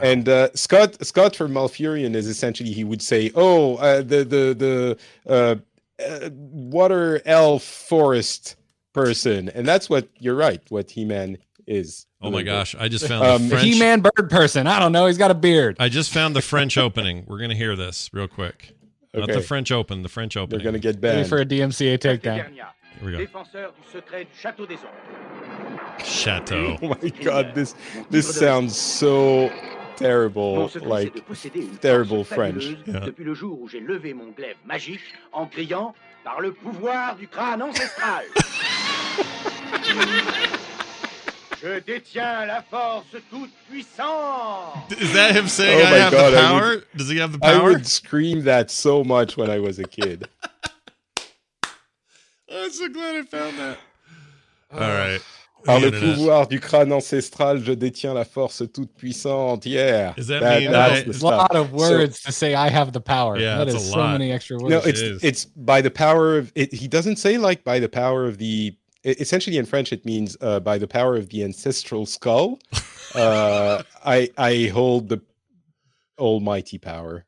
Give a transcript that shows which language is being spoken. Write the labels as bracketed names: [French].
[English] And Scott for Malfurion is essentially, he would say, oh, the water elf forest person. And that's what, you're right, what He-Man is. Oh my gosh, I just found the French... He-Man bird person. I don't know, he's got a beard. I just found the French opening. We're going to hear this real quick. Okay. Not the French opening. They're going to get banned. Ready for a DMCA takedown. Here we go. [French] Défenseur du secret du Château des Ombres. Château. [English] Oh my god, this sounds so terrible, like terrible French. [French] Depuis le jour où j'ai levé mon glaive magique en criant par le pouvoir du crâne ancestral. Je détiens la force toute puissante. [English] Is that him saying, oh my God, the power? Does he have the power? I would scream that so much when I was a kid. I'm so glad I found that. All right. [French] Par le pouvoir du crâne ancestral, je détiens la force toute puissante. [English] Yeah. Does that mean a lot of words to say I have the power? Yeah, that is a lot. So many extra words. No, it's by the power of it. He doesn't say like by the power of the. Essentially, in French, it means by the power of the ancestral skull, I hold the almighty power.